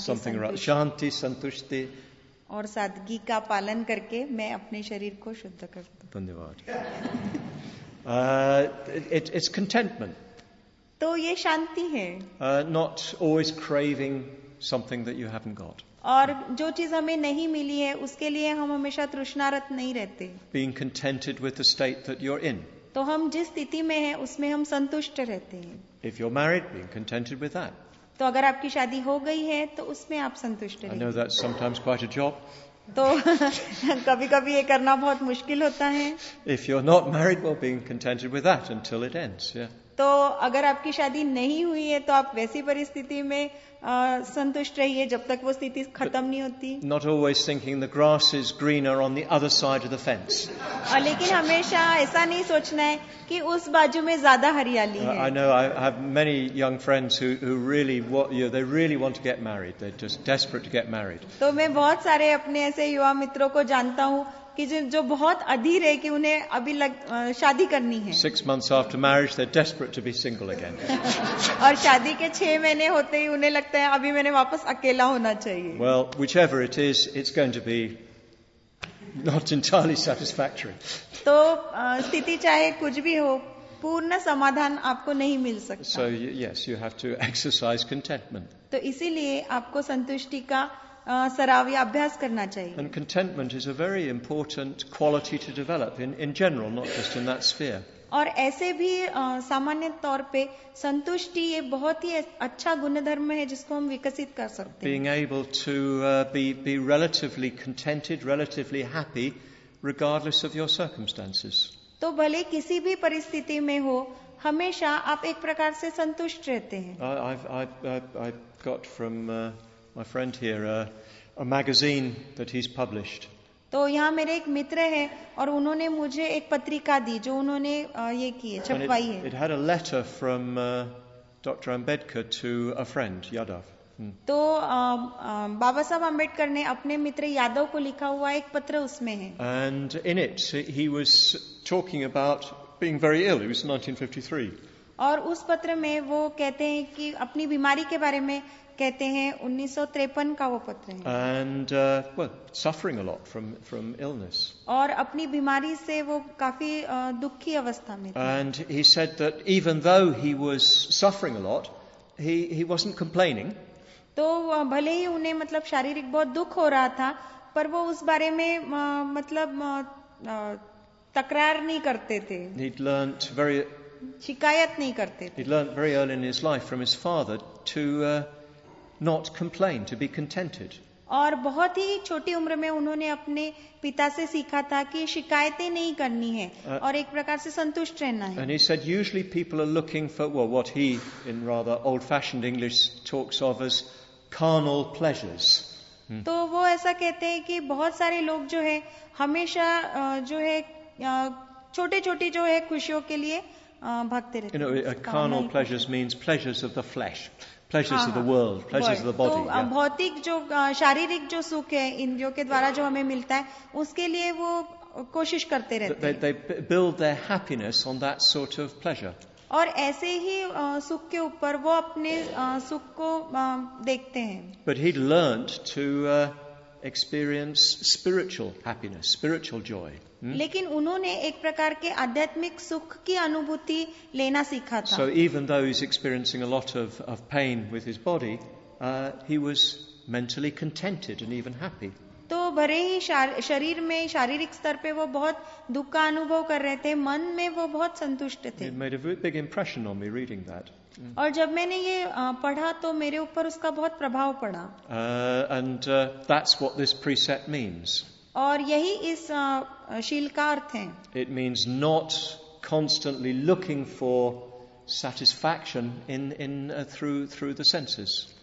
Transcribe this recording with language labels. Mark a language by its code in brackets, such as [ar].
[hi] संतुष्टि. Shanti, santushti, और सादगी का पालन करके मैं अपने शरीर को शुद्ध करता हूँ। धन्यवाद। [en] It's contentment. [hi] तो ये शांति है। [en] Not always craving something that you haven't got. [hi] और जो चीज हमें नहीं मिली है उसके लिए हम हमेशा तृष्णारत नहीं रहते। [en] Being contented with the state that you're in. [hi] तो हम जिस स्थिति में हैं उसमें हम संतुष्ट रहते हैं। [en] If you're married, being contented with that. [hi] तो अगर आपकी शादी हो गई है तो उसमें आप संतुष्ट रहते [en] हैं। I know that's sometimes quite a job. [hi] तो कभी कभी ये करना बहुत मुश्किल होता है। [en] If you're not married, well, being contented with that until it ends, yeah. [hi] तो अगर आपकी शादी नहीं हुई है तो आप वैसी परिस्थिति में संतुष्ट रहिए जब तक वो स्थिति खत्म नहीं होती। [en] Not always thinking the grass is greener on the other side of the fence. [hi] और लेकिन हमेशा ऐसा नहीं सोचना है कि उस बाजू में ज्यादा हरियाली है। [en] I know I have many young friends who really what you know, they really want to get married. They're just desperate to get married. [hi] तो मैं बहुत सारे अपने ऐसे युवा मित्रों को जानता हूँ कि जो बहुत अधीर है कि उन्हें अभी शादी करनी है। [en] Six months after marriage, they're desperate to be single again. [hi] और शादी के 6 महीने होते ही उन्हें लगता है अभी मैंने वापस अकेला होना चाहिए। [en] Well, whichever it is, it's going to be not entirely satisfactory. [hi] तो स्थिति चाहे कुछ भी हो, पूर्ण समाधान आपको नहीं मिल सकता। [en] So yes, you have to exercise contentment. [hi] तो इसीलिए आपको संतुष्टि का सराव या अभ्यास करना चाहिए। [en] And contentment is a very important quality to develop in general, not just in that sphere. [hi] और ऐसे भी सामान्य तौर पे संतुष्टि ये बहुत ही अच्छा गुणधर्म है जिसको हम विकसित कर सकते हैं। [en] Being able to be relatively contented, relatively happy, regardless of your circumstances. [hi] तो भले किसी भी परिस्थिति में हो, हमेशा आप एक प्रकार से संतुष्ट रहते हैं। [en] I've got from my friend here a magazine that he's published. [hi] तो यहाँ मेरे एक मित्र है और उन्होंने मुझे एक पत्रिका दी जो उन्होंने ये की है छपवाई है। [en] It had a letter from Dr. Ambedkar to a friend, Yadav. [hi] तो बाबा साहब अंबेडकर ने अपने मित्र यादव को लिखा हुआ एक पत्र उसमें है। [en] And in it he was talking about being very ill. It was 1953. [hi] और उस पत्र में वो कहते हैं कि अपनी बीमारी के बारे में कहते हैं 1953 का वो पत्र है। [en] And well, suffering a lot from illness. [hi] और अपनी बीमारी से वो काफी दुखी अवस्था में थे। [en] And he said that even though he was suffering a lot, he wasn't complaining. [hi] तो भले ही उन्हें मतलब शारीरिक बहुत दुख हो रहा था, पर वो उस बारे में मतलब तकरार नहीं करते थे। [en] He'd learnt very [hi] शिकायत नहीं करते थे। [en] He'd learnt very early in his life from his father to not complain, to be contented. [hi] और बहुत ही छोटी उम्र में उन्होंने अपने पिता से सीखा था कि शिकायतें नहीं करनी है और एक प्रकार से संतुष्ट रहना है। [en] And he said usually people are looking for well, what he in rather old-fashioned English talks of as carnal pleasures. [hi] तो वो ऐसा कहते हैं कि बहुत सारे लोग जो है हमेशा जो है छोटे-छोटे जो है खुशियों के लिए भागते रहते हैं। [en] You know, carnal pleasures means pleasures of the flesh. Pleasures of the world, pleasures of the body. [hi] तो भौतिक जो शारीरिक जो सुख है इंद्रियों के द्वारा जो हमें मिलता है उसके लिए वो कोशिश करते रहते हैं। [en] They build their happiness on that sort of pleasure. [hi] और ऐसे ही सुख के ऊपर वो अपने सुख को देखते हैं। [en] But he'd learned to experience spiritual happiness, spiritual joy. [hi] लेकिन उन्होंने एक प्रकार के आध्यात्मिक सुख की अनुभूति लेना सीखा था। [en] So even though he's experiencing a lot of pain with his body, he was mentally contented and even happy. [hi] तो भले ही शरीर में शारीरिक स्तर पे वो बहुत दुख का अनुभव कर रहे थे, मन में वो बहुत संतुष्ट थे। [en] It made a big impression on me reading that. [hi] और जब मैंने ये पढ़ा तो मेरे ऊपर उसका बहुत प्रभाव पड़ा। [en] And that's what this precept means. [hi] और यही इस शील का अर्थ है। [en] It means not constantly looking for satisfaction through the senses.